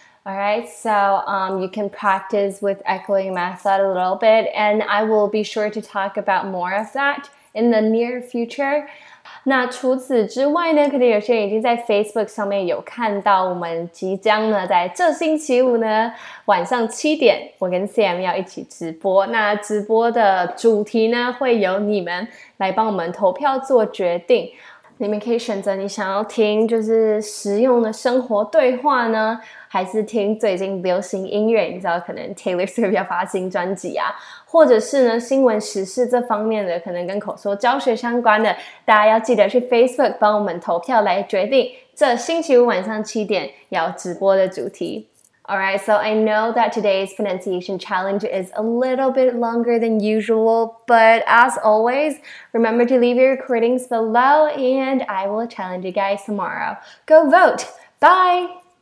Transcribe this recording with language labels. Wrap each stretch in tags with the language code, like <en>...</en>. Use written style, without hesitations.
<en>Alright, so you can practice with echoing method a little bit, and I will be sure to talk about more of that in the near future.</en> <zh>那除此之外呢，可能有些人已经在 Facebook 上面有看到，我们即将呢在这星期五呢晚上7点，我跟 CM 要一起直播。那直播的主题呢会由你们来帮我们投票做决定，你们可以选择你想要听就是实用的生活对话呢，还是听最近流行音乐，你知道可能 Taylor Swift 要发新专辑啊，或者是呢新闻时事这方面的，可能跟口说教学相关的，大家要记得去 Facebook 帮我们投票来决定这星期五晚上7点要直播的主题。</zh> <en>Alright, so I know that today's pronunciation challenge is a little bit longer than usual, but as always, remember to leave your recordings below and I will challenge you guys tomorrow. Go vote! Bye!</en>